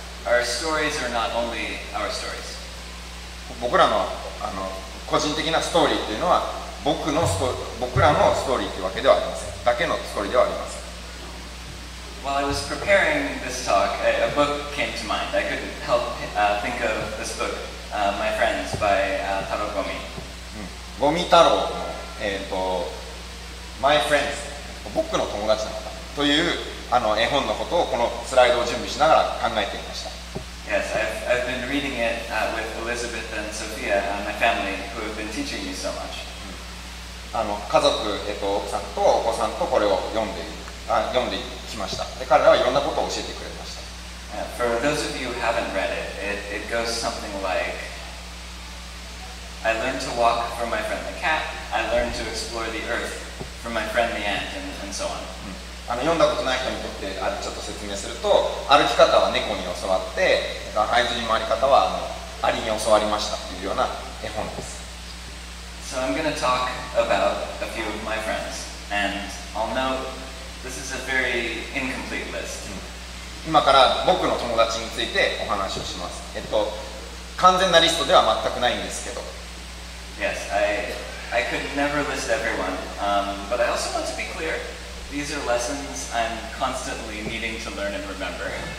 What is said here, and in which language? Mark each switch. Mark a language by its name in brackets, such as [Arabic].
[English] Our stories are not only our stories. [Japanese] 僕らの個人的なストーリーというのは、僕らのストーリーというわけではありません。だけのストーリーではありません。 [English] While I was preparing this talk, a book came to mind. I couldn't help think of this book, My Friends by Taro Gomi. [Japanese] Gomi Taro の、My Friends、僕の友達なのかという絵本のことをこのスライドを準備しながら考えていました。 [English] Yes, I've been reading it with Elizabeth and Sophia, my family, who have been teaching me so much. [Japanese] 家族、奥さんとお子さんとこれを読んできました。で、彼らはいろんなことを教えてくれました。 [English] For those of you who haven't read it, it goes something like I learned to walk from my friend the cat, I learned to explore the earth from my friend the ant, and so on.、 [Japanese] 読んだことない人にとってちょっと説明すると、歩き方は猫に教わって、ハイズに回り方はアリに教わりましたというような絵本です。 [English] So I'm going to talk about a few of my friends, and I'll note this is a very incomplete list. [Japanese] 今から僕の友達についてお話をします。完全なリストでは全くないんですけど。 [English] Yes, I could never list everyone, but I also want to be clear, these are lessons I'm constantly needing to learn and remember.